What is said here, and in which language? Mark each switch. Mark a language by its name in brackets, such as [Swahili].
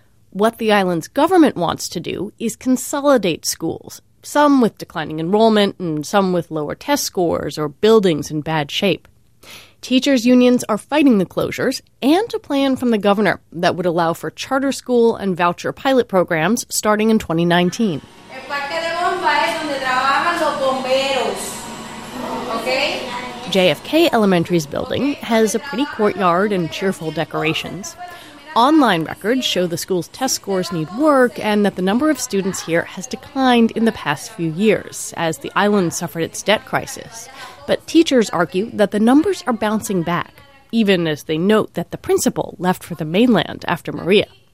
[English] What the island's government wants to do is consolidate schools, some with declining enrollment and some with lower test scores or buildings in bad shape. Teachers' unions are fighting the closures and a plan from the governor that would allow for charter school and voucher pilot programs starting in 2019. [Spanish] El parque de bomba es donde trabajan los bomberos. [English] Okay? JFK Elementary's building has a pretty courtyard and cheerful decorations. Online records show the school's test scores need work and that the number of students here has declined in the past few years as the island suffered its debt crisis. But teachers argue that the numbers are bouncing back, even as they note that the principal left for the mainland after Maria.